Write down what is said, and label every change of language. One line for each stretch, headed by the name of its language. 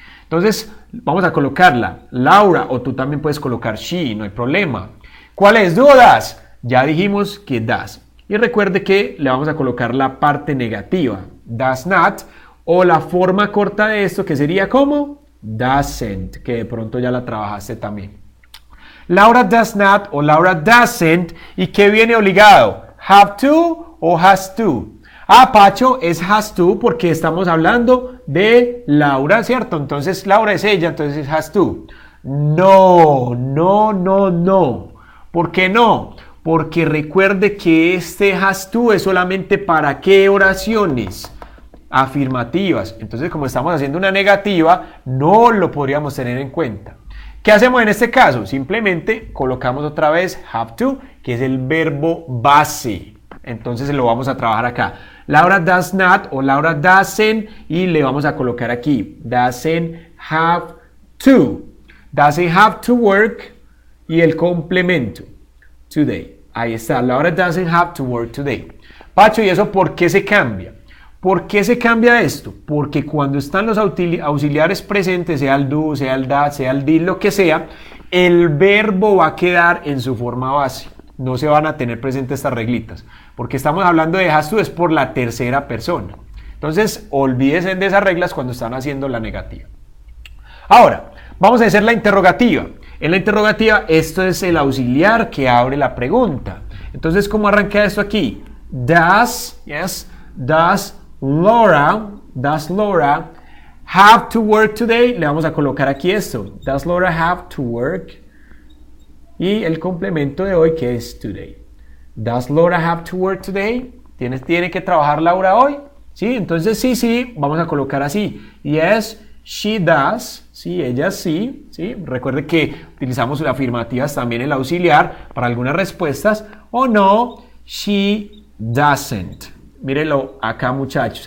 Spanish: Entonces, vamos a colocarla. Laura, o tú también puedes colocar she, no hay problema. ¿Cuál es? ¿Do o does? Ya dijimos que does. Y recuerde que le vamos a colocar la parte negativa. Does not. O la forma corta de esto, que sería como doesn't, que de pronto ya la trabajaste también.
English: Laura does not o Laura doesn't.
Spanish: ¿Y qué viene obligado? ¿Have to o has to? Ah, Pacho, es has to porque estamos hablando de Laura, ¿cierto? Entonces, Laura es ella, entonces es has to. No, no, no, no. ¿Por qué no? Porque recuerde que este has to es solamente para qué oraciones afirmativas. Entonces, como estamos haciendo una negativa, no lo podríamos tener en cuenta. ¿Qué hacemos en este caso? Simplemente colocamos otra vez have to, que es el verbo base. Entonces lo vamos a trabajar acá.
English: Laura does not o Laura doesn't,
Spanish: y le vamos a colocar aquí
English: doesn't have to. Doesn't have to work
Spanish: y el complemento
English: today.
Spanish: Ahí está.
English: Laura doesn't have to work today.
Spanish: Pacho, ¿y eso por qué se cambia? ¿Por qué se cambia esto? Porque cuando están los auxiliares presentes, sea el do, sea el does, sea el did, lo que sea, el verbo va a quedar en su forma base. No se van a tener presentes estas reglitas. Porque estamos hablando de has to, es por la tercera persona. Entonces, olvídense de esas reglas cuando están haciendo la negativa. Ahora, vamos a hacer la interrogativa. En la interrogativa, esto es el auxiliar que abre la pregunta. Entonces, ¿cómo arranca esto aquí?
English: Does, yes, does Laura, does Laura have to work today?
Spanish: Le vamos a colocar aquí esto.
English: Does Laura have to work?
Spanish: Y el complemento de hoy, que es today.
English: Does Laura have to work today?
Spanish: ¿Tiene que trabajar Laura hoy? Sí, entonces sí, sí, vamos a colocar así.
English: Yes, she does.
Spanish: Sí, ella sí. Sí, recuerde que utilizamos afirmativas también el auxiliar para algunas respuestas. O
English: no, she doesn't.
Spanish: Mírenlo acá, muchachos.